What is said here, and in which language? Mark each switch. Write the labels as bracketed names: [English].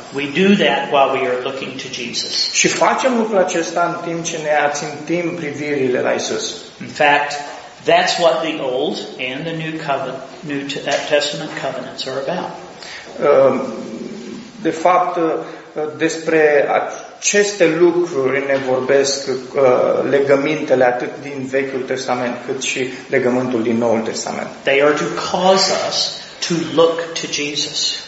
[English] We do that while we are looking to Jesus. [Romanian] Și facem lucrul acesta în timp ce ne ațintim privirile la Isus. [English] In fact, that's what the Old and the New Covenant, New Testament covenants are about. [Romanian] De fapt, despre aceste lucruri ne vorbesc legămintele atât din Vechiul Testament cât și legământul din Noul Testament. [English] They are to cause us to look to Jesus.